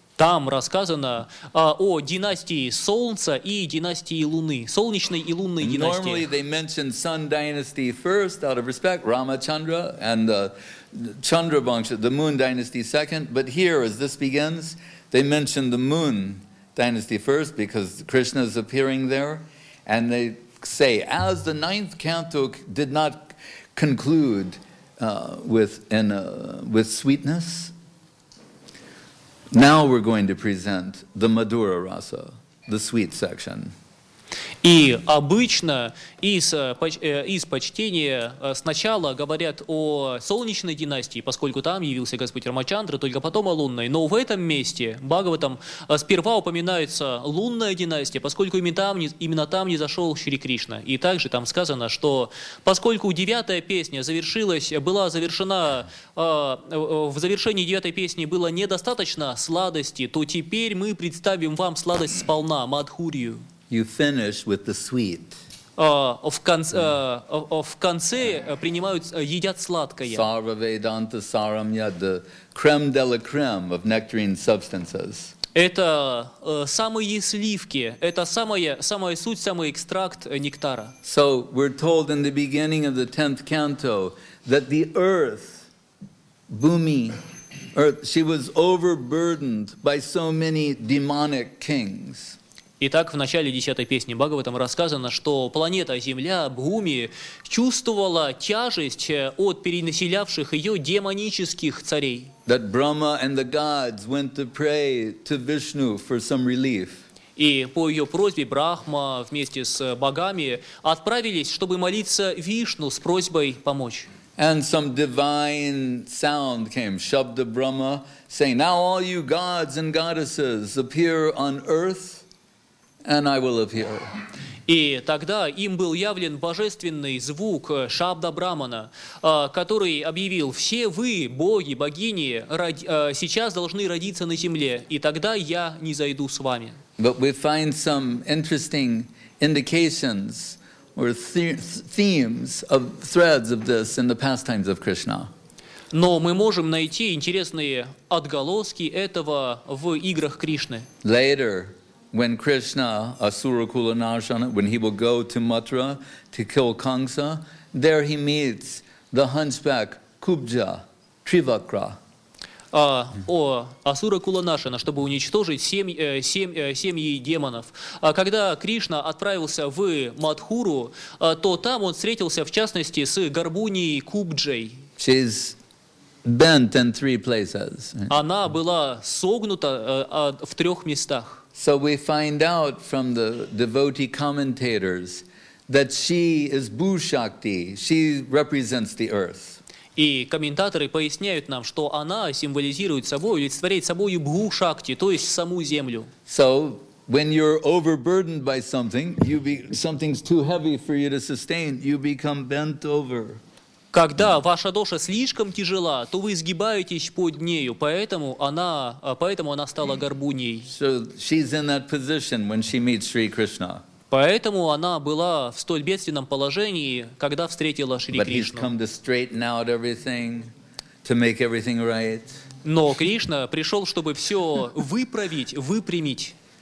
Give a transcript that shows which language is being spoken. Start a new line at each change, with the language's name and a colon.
Russian: Там рассказано о династии Солнца и династии Луны, солнечной и лунной династии.
English: Normally they mention Sun Dynasty first out of respect, Ramachandra, and the Chandra Bangsha, the Moon Dynasty second. But here, as this begins, they mention the Moon Dynasty first because Krishna is appearing there, and they say, as the ninth canto did not conclude with sweetness, now we're going to present the Madhura Rasa, the sweet section.
Russian: И обычно из почтения сначала говорят о солнечной династии, поскольку там явился Господь Рамачандра, только потом о лунной. Но в этом месте, Бхагаватам, сперва упоминается лунная династия, поскольку именно там не зашел Шри Кришна. И также там сказано, что поскольку девятая песня в завершении девятой песни было недостаточно сладости, то теперь мы представим вам сладость сполна, Мадхурию.
English: You finish with the sweet.
Russian: В конце принимают, едят сладкое.
English: Sarva Vedanta Saramya, the creme de la creme of nectarine substances.
Russian: Это самые сливки, это самая суть, самый экстракт нектара.
English: So we're told in the beginning of the 10th canto that the earth, Bhumi, earth, she was overburdened by so many demonic kings.
Russian: Итак, в начале 10-й песни Бхагаватам рассказано, что планета Земля, Бхуми, чувствовала тяжесть от перенаселявших ее демонических царей.
English: That Brahma and the gods went to pray to Vishnu for some relief.
Russian: И по ее просьбе Брахма вместе с богами отправились, чтобы молиться Вишну с просьбой помочь.
English: And some divine sound came, Shabda Brahma, saying, "Now all you gods and goddesses appear on earth, and I will appear."
Russian: И тогда им был явлен божественный звук Шабда Брамана, который объявил: «Все вы, боги, богини, сейчас должны родиться на земле, и тогда я не зайду с вами».
English: But we find some interesting indications or themes of threads of this in the pastimes of Krishna.
Russian: Но мы можем найти интересные отголоски этого в играх Кришны.
English: Later, when Krishna, Asura Kula Narshana, when he will go to Mathura to kill Kamsa, there he meets the hunchback Kubja, Trivakra.
Russian: Асура Кула Нашана, чтобы уничтожить семьи демонов. Когда Кришна отправился в Матхуру, то там он встретился, в частности, с Гарбунией Кубджей.
English: She's bent in three places.
Russian: Она была согнута в трех местах.
English: So we find out from the devotee commentators that she is Bhushakti. She represents the earth.
Russian: И комментаторы поясняют нам, что она символизирует собой, олицетворяет собой Бху-шакти, то есть саму землю.
English: So, when you're overburdened by something, something's too heavy for you to sustain, you become bent over.
Russian: Когда ваша доша слишком тяжела, то вы сгибаетесь под нею, поэтому она стала горбуней.
English: So, she's in that position when she meets Sri Krishna.
Russian: Поэтому она была в столь бедственном положении, когда встретила Шри
English: But
Russian: Кришну.
English: He's come to straighten out everything, to make everything right.
Russian: Но Кришна пришел, чтобы все выправить, выпрямить.